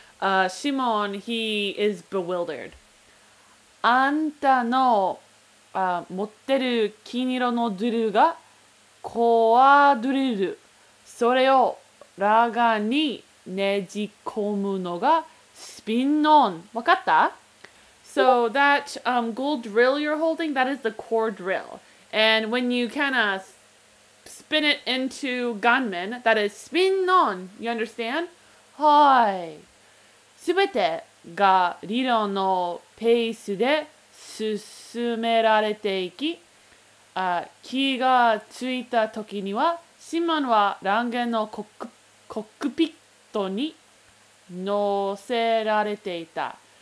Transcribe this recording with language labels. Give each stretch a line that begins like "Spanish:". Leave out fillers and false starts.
English: Shimon, he is bewildered.
Japanese: あんたの持ってる金色のドゥルがコアドゥル、それをラガンにねじ込むのがスピンオン。わかった？
English: So that gold drill you're holding, that is the core drill. And when you kind of spin it into gunman, that is スピンオン. You understand? はい。
Japanese: すべてが理論のペースで進められていき、気がついた時にはシマンはラガンのコックピットに乗せられていた。